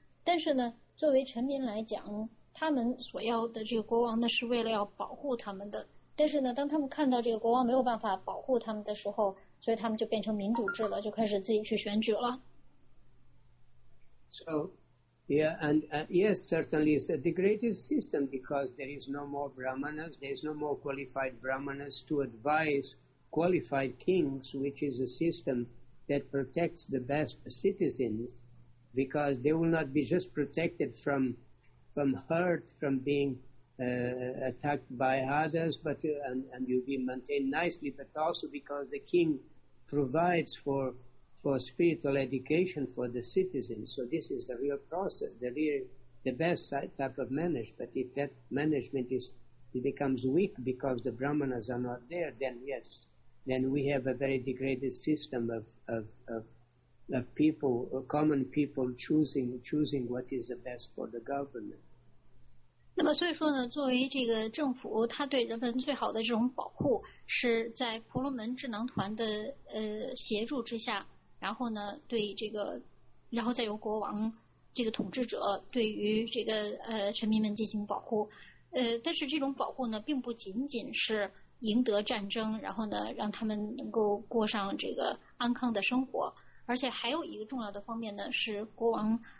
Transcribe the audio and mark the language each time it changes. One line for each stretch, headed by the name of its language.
Chinese: 但是呢，作为臣民来讲，他们所要的这个国王呢，是为了要保护他们的。但是呢，当他们看到这个国王没有办法保护他们的时候，所以他们就变成民主制了，就开始自己去选举了。
English: So, yeah, and yes, certainly it's the greatest system because there is no more brahmanas, there is no more qualified brahmanas to advise qualified kings, which is a system that protects the best citizens because they will not be just protected from hurt, from being attacked by others, but and you'll be maintained nicely, but also because the king. Provides for spiritual education for the citizens. So this is the real process, the best type of management. If that management becomes weak because the brahmanas are not there, then yes, then we have a very degraded system of people, or common people choosing what is the best for the government.
Chinese: 那么所以说呢，作为这个政府，他对人们最好的这种保护是在婆罗门智囊团的协助之下，然后呢对这个，然后再由国王这个统治者对于这个臣民们进行保护，但是这种保护呢并不仅仅是赢得战争，然后呢让他们能够过上这个安康的生活，而且还有一个重要的方面呢是国王